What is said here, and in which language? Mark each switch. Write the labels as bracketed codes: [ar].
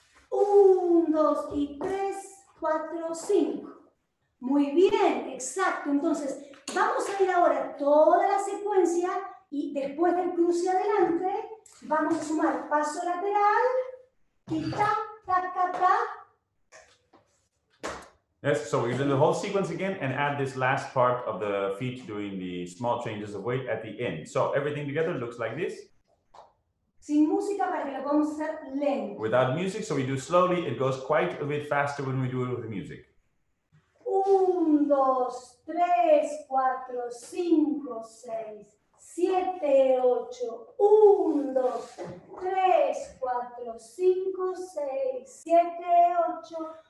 [es] Un, dos y tres, cuatro, cinco. Muy bien. Exacto. Entonces, vamos a ir ahora toda la secuencia y después del cruce adelante, vamos a sumar paso lateral y ta, ta, ta, ta. [en] Yes, so we're doing the whole sequence again and add this last part of the feet doing the small changes of weight at the end. So everything together looks like this. [es] Sin música para que lo podamos hacer lento. [en] Without music, so we do slowly, it goes quite a bit faster when we do it with the music. [es] Un, dos, tres, cuatro, cinco, seis, siete, ocho. Un, dos, tres, cuatro, cinco, seis, siete, ocho.